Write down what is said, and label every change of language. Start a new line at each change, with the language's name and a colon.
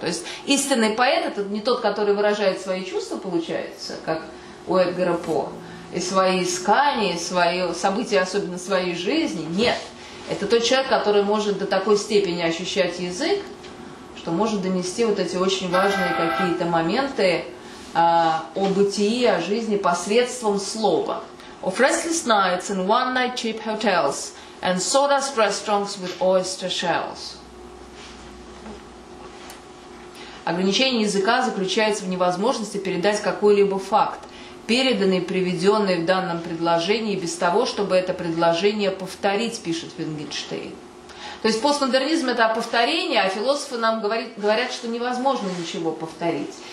Russian: То есть истинный поэт – это не тот, который выражает свои чувства, получается, как у Эдгара По, и свои искания, и свои события, особенно своей жизни. Нет, это тот человек, который может до такой степени ощущать язык, что может донести вот эти очень важные какие-то моменты о бытии, о жизни посредством слова.
English: Of restless nights and one night cheap hotels and sawdust restaurants with oyster shells.
Russian: Ограничение языка заключается в невозможности передать какой-либо факт, переданный, приведенный в данном предложении, без того, чтобы это предложение повторить, пишет Вингенштейн. То есть постмодернизм – это повторение, а философы нам говорят, что невозможно ничего повторить.